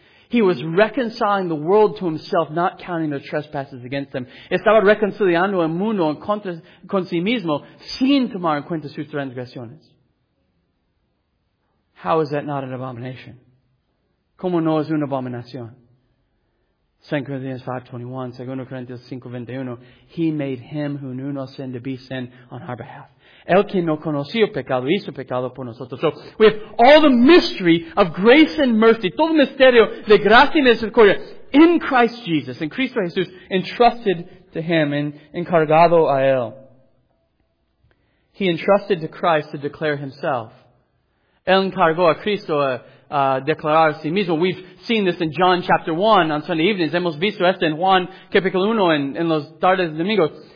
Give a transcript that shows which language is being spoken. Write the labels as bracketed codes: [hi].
[en] He was reconciling the world to Himself, not counting their trespasses against them. [es] Estaba reconciliando el mundo con sí mismo, sin tomar en cuenta sus transgresiones. [en] How is that not an abomination? [es] ¿Cómo no es una abominación? [en] 2 Corinthians 5:21, 2 Corinthians 5:21. He made Him who knew no sin to be sin on our behalf. [es] El quien no conoció pecado, hizo pecado por nosotros. [en] So, we have all the mystery of grace and mercy, [es] todo el misterio de gracia y misericordia, [en] in Christ Jesus, in Cristo Jesús, entrusted to Him, [es] encargado a Él. [en] He entrusted to Christ to declare Himself. [es] Él encargó a Cristo a declarar a sí mismo. [en] We've seen this in John chapter 1 on Sunday evenings. [es] Hemos visto esto en Juan capítulo 1 en los tardes de domingo.